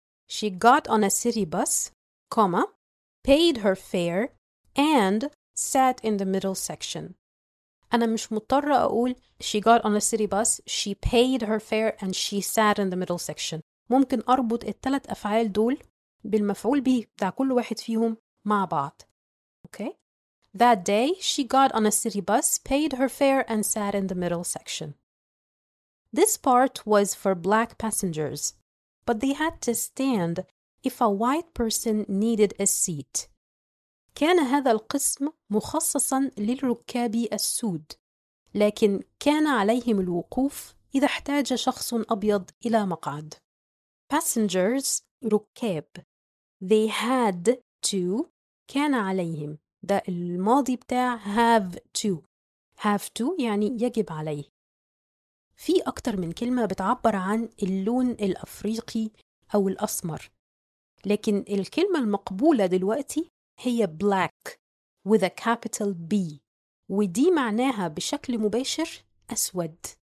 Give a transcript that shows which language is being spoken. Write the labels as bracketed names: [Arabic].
[English] She got on a city bus, comma, paid her fare, and sat in the middle section. [Arabic] أنا مش مضطرة أقول [English] she got on a city bus, she paid her fare, and she sat in the middle section. [Arabic] ممكن أربط التلات أفعال دول بالمفعول به بتاع كل واحد فيهم مع بعض. Okay? [English] That day, she got on a city bus, paid her fare, and sat in the middle section. This part was for black passengers. But they had to stand if a white person needed a seat. [Arabic] كان هذا القسم مخصصا للركاب السود، لكن كان عليهم الوقوف إذا احتاج شخص أبيض إلى مقعد. [English] Passengers ركاب. They had to [Arabic] كان عليهم. ده الماضي بتاع have to. Have to يعني يجب عليه. في أكتر من كلمة بتعبر عن اللون الأفريقي أو الأسمر، لكن الكلمة المقبولة دلوقتي هي [English] black with a capital B، [Arabic] ودي معناها بشكل مباشر أسود.